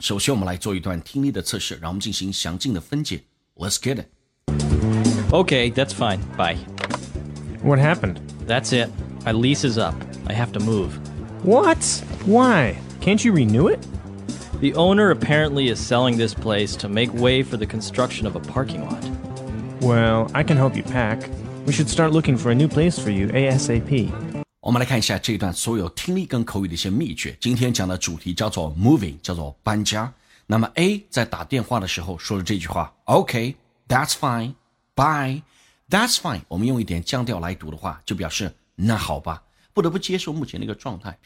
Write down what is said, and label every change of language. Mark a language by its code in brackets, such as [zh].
[zh] 首先我们来做一段听力的测试，让我们进行详尽的分解。 [en] Let's get it. Okay, that's fine, bye. What happened? That's it, my lease is up, I have to move. What? Why? Can't you renew it? The owner apparently is selling this place to make way for the construction of a parking lot. Well, I can help you pack. We should start looking for a new place for you ASAP. [zh] 我们来看一下这一段所有听力跟口语的一些秘诀。今天讲的主题叫做 moving， 叫做搬家。那么 A 在打电话的时候说了这句话 [en] OK, that's fine, bye, that's fine， [zh] 我们用一点降调来读的话就表示那好吧，不得不接受目前那个状态。